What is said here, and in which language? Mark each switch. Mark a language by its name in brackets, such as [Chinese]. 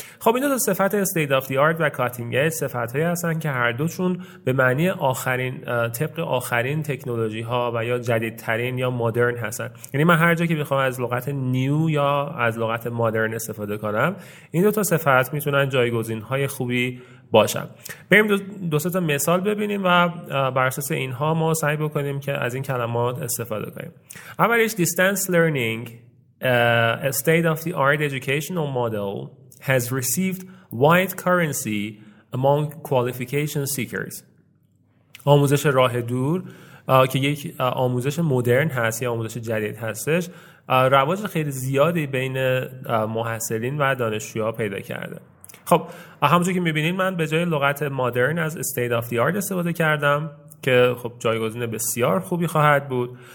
[Persian] خب این دو صفت state of the art و cutting edge صفت‌هایی هستن که هر دوشون به معنی آخرین طبق آخرین تکنولوژی‌ها و یا جدیدترین یا مدرن هستن. یعنی من هر جا که بخوام از لغت نیو یا از لغت مدرن استفاده کنم این دو تا صفت میتونن جایگزین‌های خوبی باشن. بریم دو سه تا مثال ببینیم و بر اساس اینها ما سعی بکنیم که از این کلمات استفاده کنیم. اولش [English] distance learning a state-of-the-art educational model has received wide currency among qualification seekers. [Persian] آموزش راه دور که یک آموزش مدرن هست یا آموزش جدید هستش رواج خیلی زیادی بین محصلین و دانشجوها پیدا کرده. خب همونطور که میبینین من به جای لغت مدرن از state-of-the-art استفاده کردم که خب جایگزین بسیار خوبی خواهد بود.